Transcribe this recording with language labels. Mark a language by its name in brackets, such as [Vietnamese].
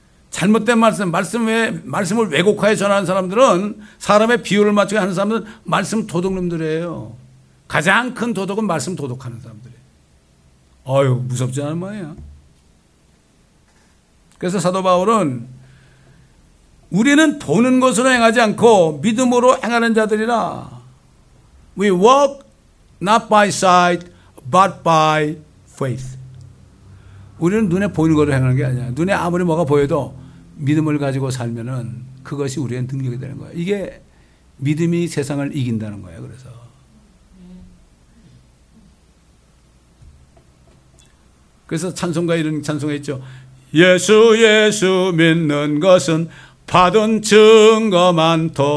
[Korean] 잘못된 말씀, 말씀을 왜곡하여 전하는 사람들은 사람의 비율을 맞추게 하는 사람들은 말씀 도둑놈들이에요. 가장 큰 도둑은 말씀 도둑하는 사람들이에요. 아유, 무섭지 않은 말이야. 그래서 사도 바울은 우리는 보는 것으로 행하지 않고 믿음으로 행하는 자들이라. [English] We walk not by sight, but by faith. [Korean] 우리는 눈에 보이는 것으로 행하는 게 아니야. 눈에 아무리 뭐가 보여도 믿음을 가지고 살면은 그것이 우리의 능력이 되는 거예요. 이게 믿음이 세상을 이긴다는 거예요. 그래서 찬송가 이런 찬송가 있죠. 예수 예수 믿는 것은 받은 증거만도다.